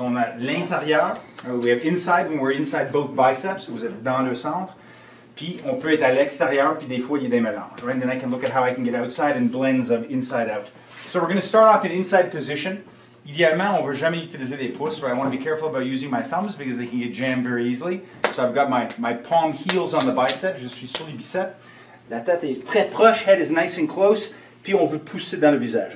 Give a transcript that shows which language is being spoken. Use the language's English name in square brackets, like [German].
[French] On a l'intérieur, [English] we have inside, when we're inside both biceps, [French] vous êtes dans le centre. Puis on peut être à l'extérieur, puis des fois il y a des mélanges. [English] Right? And then I can look at how I can get outside and blends of inside out. So we're gonna start off in inside position. [French] Idéalement, on veut jamais utiliser les pouces, [English] right? I want to be careful about using my thumbs because they can get jammed very easily. So I've got my palm heels on the bicep, [French] je suis sur les biceps. La tête est très proche, [English] head is nice and close, [French] puis on veut pousser dans le visage.